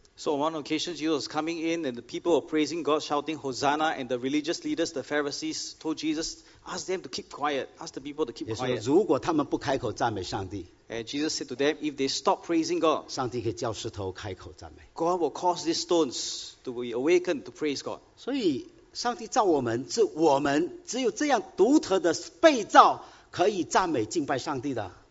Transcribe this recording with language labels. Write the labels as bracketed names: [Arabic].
[English] So on one occasion, Jesus was coming in and the people were praising God, shouting, Hosanna, and the religious leaders, the Pharisees, told Jesus, ask them to keep quiet, ask the people to keep quiet. [Chinese] 也说如果他们不开口赞美上帝, [English] and Jesus said to them, if they stop praising God, [Chinese] 上帝可以叫石头开口赞美, [English] God will cause these stones to be awakened to praise God. [Chinese] 所以上帝造我们是我们只有这样独特的被造可以赞美敬拜上帝的。